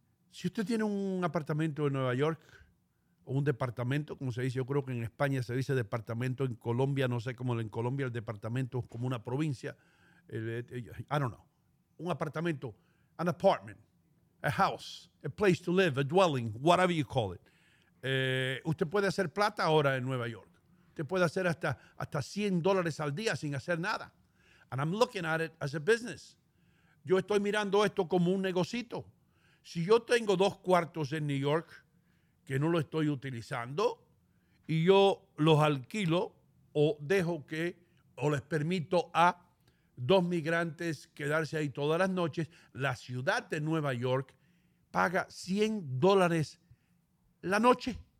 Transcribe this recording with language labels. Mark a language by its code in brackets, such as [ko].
[es] Si usted tiene un apartamento en Nueva York o un departamento, como se dice, yo creo que en España se dice departamento, en Colombia, no sé cómo en Colombia el departamento es como una provincia. [en] I don't know. [es] Un apartamento, [en] an apartment. A house, a place to live, a dwelling, whatever you call it. [es] Usted puede hacer plata ahora en Nueva York. Usted puede hacer hasta $100 al día sin hacer nada. [en] And I'm looking at it as a business. [es] Yo estoy mirando esto como un negocito. Si yo tengo dos cuartos en New York que no lo estoy utilizando y yo los alquilo o dejo que o les permito a dos migrantes quedarse ahí todas las noches, la ciudad de Nueva York paga $100 la noche.